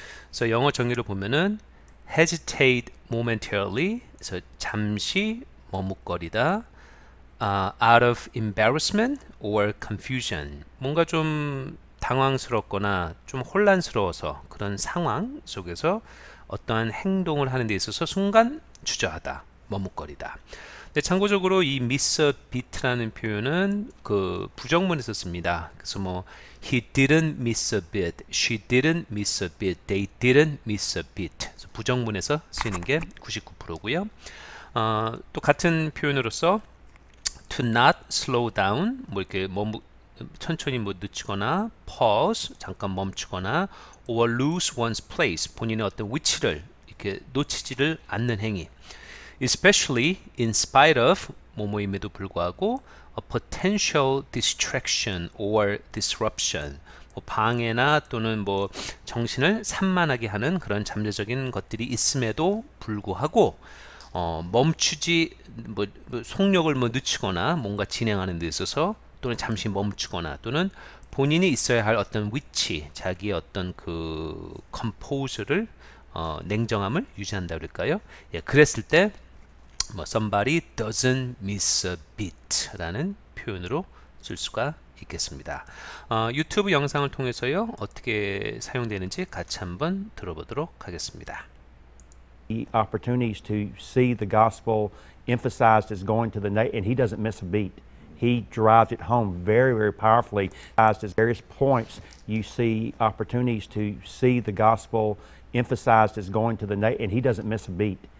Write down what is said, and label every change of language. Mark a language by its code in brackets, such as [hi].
[ko] 그래서 영어 정의를 보면은 [en] hesitate momentarily, [ko] 그래서 잠시 머뭇거리다, [en] out of embarrassment or confusion, [ko] 뭔가 좀 당황스럽거나 좀 혼란스러워서 그런 상황 속에서 어떠한 행동을 하는 데 있어서 순간 주저하다, 머뭇거리다. 네, 참고적으로 이 Miss a beat라는 표현은 그 부정문에서 씁니다. 그래서 뭐 [en] he didn't miss a beat, she didn't miss a beat, they didn't miss a beat. [ko] 부정문에서 쓰이는 게 99%고요. 또 같은 표현으로서 [en] to not slow down, [ko] 뭐 이렇게 천천히 뭐 늦추거나 pause, 잠깐 멈추거나 [en] or lose one's place, [ko] 본인의 어떤 위치를 이렇게 놓치지를 않는 행위. [en] Especially in spite of, [ko] 뭐뭐임에도 불구하고, [en] a potential distraction or disruption. [ko] 뭐 방해나 또는 뭐 정신을 산만하게 하는 그런 잠재적인 것들이 있음에도 불구하고, 멈추지, 뭐 속력을 뭐 늦추거나 뭔가 진행하는 데 있어서 또는 잠시 멈추거나 또는 본인이 있어야 할 어떤 위치, 자기의 어떤 그 composure를, 냉정함을 유지한다 그럴까요? 예, 그랬을 때, 뭐 [en] somebody doesn't miss a beat [ko] 라는 표현으로 쓸 수가 있겠습니다. 유튜브 영상을 통해서요 어떻게 사용되는지 같이 한번 들어보도록 하겠습니다. [en] Opportunities to see the gospel emphasized as going to the nation, and he doesn't miss a beat. He drives it home very, very powerfully. At various points, you see opportunities to see the gospel emphasized as going to the nation, and he doesn't miss a beat.